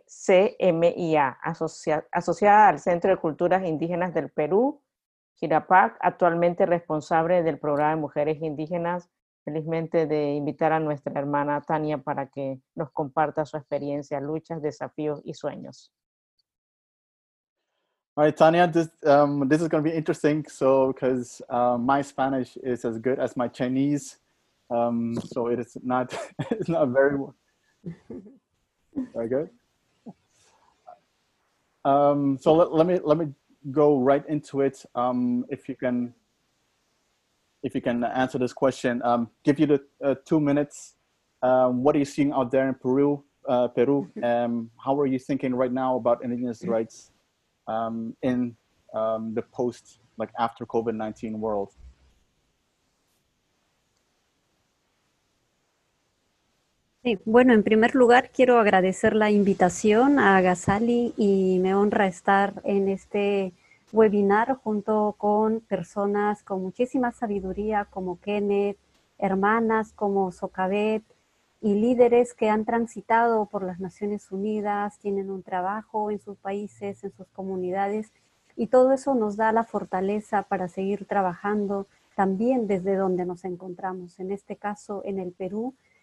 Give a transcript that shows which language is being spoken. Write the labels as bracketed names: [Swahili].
[Spanish] ECMIA, asociada al Centro de Culturas Indígenas del Perú, Girapac, actualmente responsable del programa de Mujeres Indígenas. Felizmente de invitar a nuestra hermana Tania para que nos comparta su experiencia, luchas, desafíos y sueños. [English] All right, Tania, this is going to be interesting. So, because my Spanish is as good as my Chinese, so it is not very good. Okay. So let me go right into it. If you can answer this question, give you the 2 minutes. What are you seeing out there in Peru? How are you thinking right now about indigenous rights in the post, like after COVID-19 world? [Spanish] Sí, bueno, en primer lugar quiero agradecer la invitación a Ghazali y me honra estar en este webinar junto con personas con muchísima sabiduría como Kenneth, hermanas como Socavet y líderes que han transitado por las Naciones Unidas, tienen un trabajo en sus países, en sus comunidades y todo eso nos da la fortaleza para seguir trabajando también desde donde nos encontramos, en este caso en el Perú.